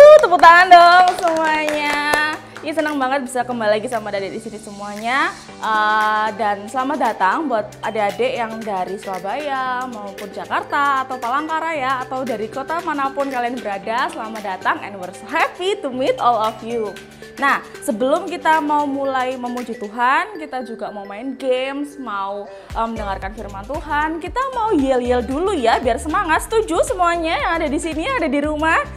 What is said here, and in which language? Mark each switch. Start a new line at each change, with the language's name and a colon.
Indonesian: Tepuk tangan dong semuanya. Ini senang banget bisa kembali lagi sama adik-adik di sini semuanya. Dan selamat datang buat adik-adik yang dari Surabaya maupun Jakarta atau Palangkaraya atau dari kota manapun kalian berada. Selamat datang
English: and we're so happy to meet all of you.
Indonesian: Nah, sebelum kita mau mulai memuji Tuhan, kita juga mau main games, mau mendengarkan firman Tuhan. Kita mau yel-yel dulu ya biar semangat. Setuju semuanya yang ada di sini, ada di rumah?